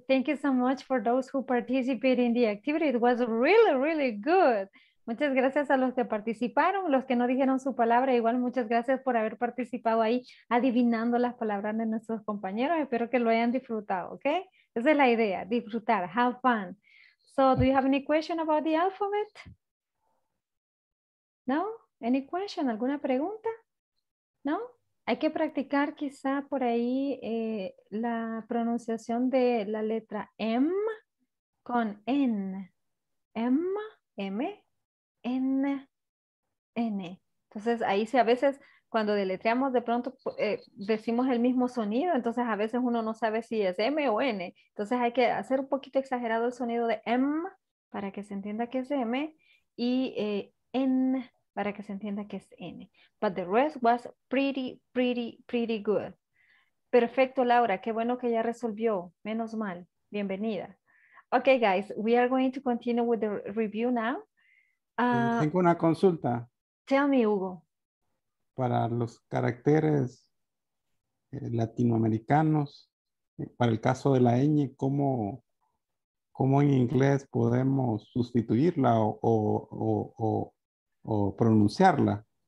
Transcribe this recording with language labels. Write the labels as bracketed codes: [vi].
[en] Thank you so much for those who participated in the activity. It was really, really good. [es] Muchas gracias a los que participaron, los que no dijeron su palabra. Igual, muchas gracias por haber participado ahí, adivinando las palabras de nuestros compañeros. Espero que lo hayan disfrutado, ¿ok? Esa es la idea, disfrutar, [en] have fun. So, do you have any question about the alphabet? No? Any question? [es] ¿Alguna pregunta? [en] No? [es] Hay que practicar quizá por ahí la pronunciación de la letra M con N. M, M, N, N. Entonces ahí sí, a veces cuando deletreamos de pronto decimos el mismo sonido, entonces a veces uno no sabe si es M o N. Entonces hay que hacer un poquito exagerado el sonido de M para que se entienda que es M y N para que se entienda que es N. [en] But the rest was pretty, pretty, pretty good. [es] Perfecto, Laura. Qué bueno que ya resolvió. Menos mal. Bienvenida. [en] Okay, guys. We are going to continue with the review now. [es] Tengo una consulta. [en] Tell me, Hugo. [es] Para los caracteres latinoamericanos, para el caso de la ñ, ¿cómo en inglés podemos sustituirla o pronunciarla?